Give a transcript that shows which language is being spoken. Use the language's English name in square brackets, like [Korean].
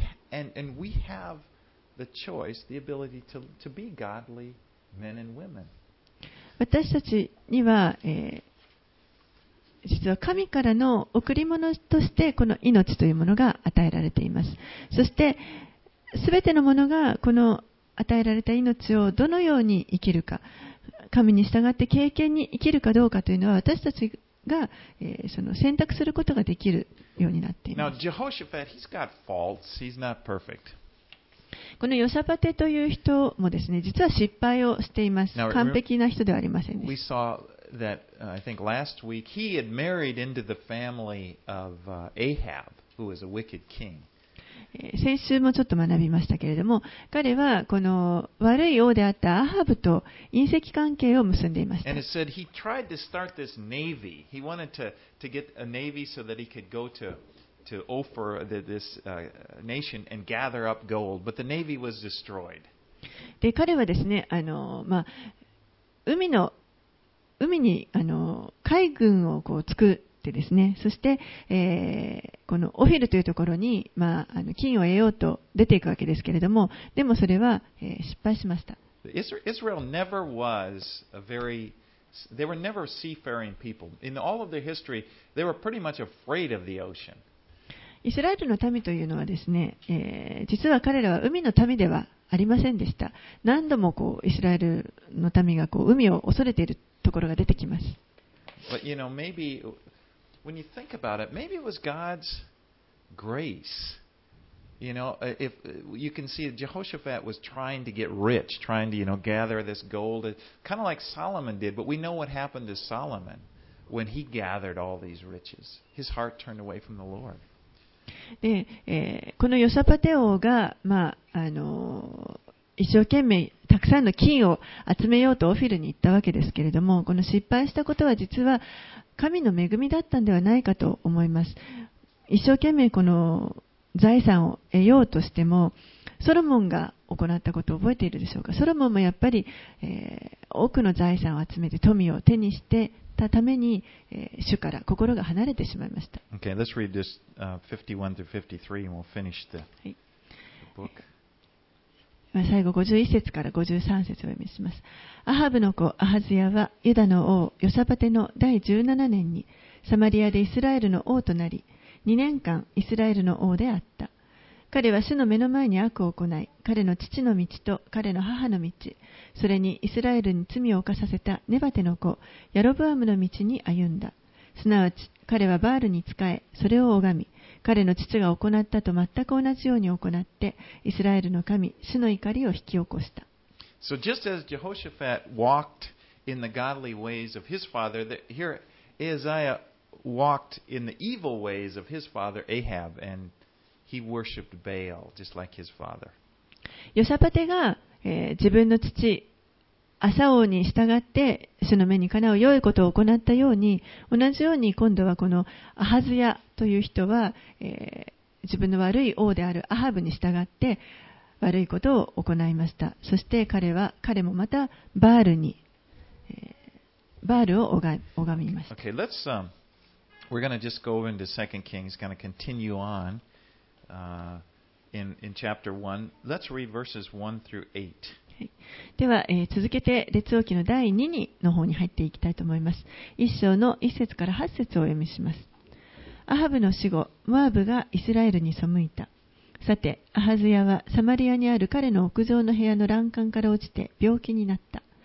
[English] And we have the choice, the ability to be godly men and women. [Japanese] 私たちには、実は神からの贈り物としてこの命というものが与えられています。そして全てのものがこの与えられた命をどのように生きるか、神に従って敬虔に生きるかどうかというのは私たちが、その選択することができるようになっています。 [English] Now, Jehoshaphat, he's got faults. He's not perfect. [Japanese] このヨシャパテという人もですね、実は失敗をしています。 [English] Now, [Japanese] 完璧な人ではありませんでした。 [English] We saw that, I think last week, he had married into the family of Ahab, who was a wicked king. [Japanese] 先週もちょっと学びましたけれども、彼はこの悪い王であったアハブと姻戚関係を結んでいました。 [English] And it said he tried to start this navy. He wanted to get a navy so that he could go to Ophir, this nation, and gather up gold. But the navy was destroyed. [Japanese] で、彼はですね、まあ、海に海軍をこう作るでですね、そして、このオフィルというところに、まあ、金を得ようと出ていくわけですけれども、でもそれは、失敗しました。 [English] Israel never was a very, they were never seafaring people. In all of their history, they were pretty much afraid of the ocean. [Japanese] イスラエルの民というのはですね、実は彼らは海の民ではありませんでした。何度もこうイスラエルの民がこう海を恐れているところが出てきます。 [English] But you know, maybeWhen you think about it, maybe it was God's grace. You know, if you can see Jehoshaphat was trying to get rich, trying to, you know, gather this gold, kind of like Solomon did, but we know what happened to Solomon when he gathered all these riches. His heart turned away from the Lord. [Japanese] で、このヨシャパテ王が、まあ、一生懸命たくさんの金を集めようとオフィルに行ったわけですけれども、この失敗したことは実は神の恵みだったのではないかと思います。一生懸命この財産を得ようとしても、ソロモンが行ったことを覚えているでしょうか。ソロモンもやっぱり、多くの財産を集めて富を手にしてたために、主から心が離れてしまいました。 [English] Okay, let's read this 51 through 53 and we'll finish the book. [Japanese] 最後51節から53節を読みします。アハブの子アハズヤはユダの王ヨシャパテの第17年にサマリアでイスラエルの王となり、2年間イスラエルの王であった。彼は主の目の前に悪を行い、彼の父の道と彼の母の道、それにイスラエルに罪を犯させたネバテの子ヤロブアムの道に歩んだ。すなわち彼はバールに仕え、それを拝み、彼の父が行ったと全く同じように行って、イスラエルの神主の怒りを引き起こした。 [English] So just as Jehoshaphat walked in the godly ways of his father, here Ahaziah walked in the evil ways of his father Ahab, and he worshipped Baal just like his father. [Japanese] ヨシャパテが、自分の父アサ王に従って主の目にかなう良いことを行ったように、同じように今度はこのアハズヤという人は、自分の悪い王であるアハブに従って悪いことを行いました。そして彼もまたバールに、バールを拝みました。 [English] Okay, let's, we're going to just go into 2 Kings, going to continue on, in chapter 1. Let's read verses 1 through 8. [Japanese] では、続けて列王記の第2にの方に入っていきたいと思います。 1章の1節から8節をお読みします。アハブの死後、モアブがイスラエルに背いた。さて、アハズヤはサマリアにある彼の屋上の部屋の欄干から落ちて病気になった。